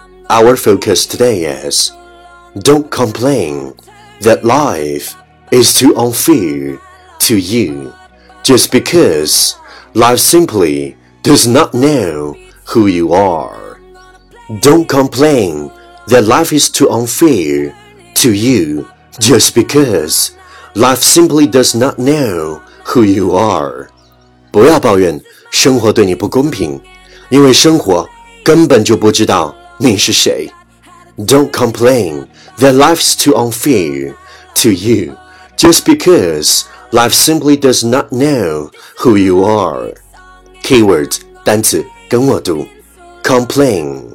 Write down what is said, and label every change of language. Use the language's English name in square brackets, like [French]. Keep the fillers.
[English] Our focus today is don't complain that life is too unfair to you just because life simply does not know who you are. Don't complain that life is too unfair to you just because life simply does not know who you are. [Chinese] 不要抱怨生活对你不公平，因为生活根本就不知道你是谁。 [English] Don't complain that life's too unfair to you just because life simply does not know who you are. [Chinese] Keyword 单词跟我读，complain。